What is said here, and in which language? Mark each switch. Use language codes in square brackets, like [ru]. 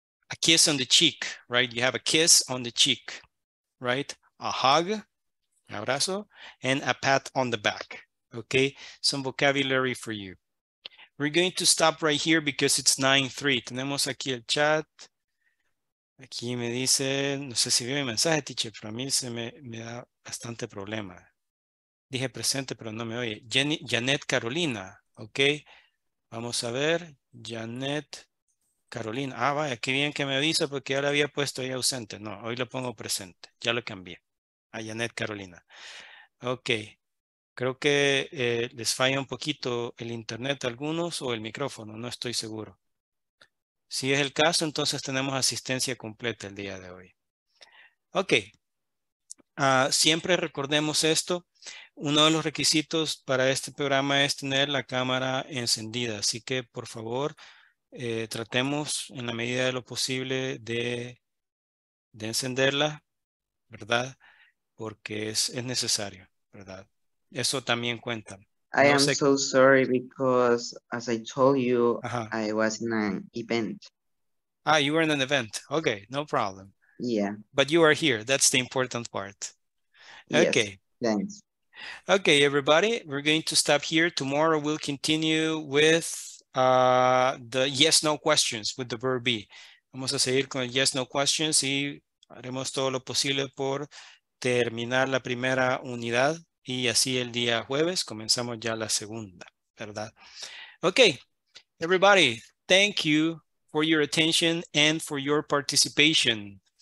[en] A kiss on the cheek, right? You have a kiss on the cheek, right? A hug, [es] un abrazo, [en] and a pat on the back. Okay, some vocabulary for you. We're going to stop right here because it's 9:03. [es] Tenemos aquí el chat. Aquí me dice, no sé si vio mi mensaje, teacher, pero a mí se me da bastante problema. Dije presente, pero no me oye. Janet Carolina, ok. Vamos a ver, Janet Carolina. Ah, vaya, qué bien que me avisa porque ya la había puesto ahí ausente. No, hoy lo pongo presente. Ya lo cambié a Janet Carolina. Ok. Creo que les falla un poquito el internet a algunos o el micrófono, no estoy seguro. Si es el caso, entonces tenemos asistencia completa el día de hoy. Ok, siempre recordemos esto. Uno de los requisitos para este programa es tener la cámara encendida. Así que, por favor, tratemos en la medida de lo posible de encenderla, ¿verdad? Porque es necesario, ¿verdad? Eso también cuenta. [en] I am so sorry because, as I told you, I was in an event. Ah, you were in an event. Okay, no problem. Yeah. But you are here. That's the important part. Okay. Yes, thanks. Okay, everybody, we're going to stop here. Tomorrow we'll continue with the yes-no questions with the verb be. [es] Vamos a seguir con yes-no questions y haremos todo lo posible por terminar la primera unidad. Y así el día jueves comenzamos ya la segunda, ¿verdad? [en] Okay, everybody, thank you for your attention and for your participation.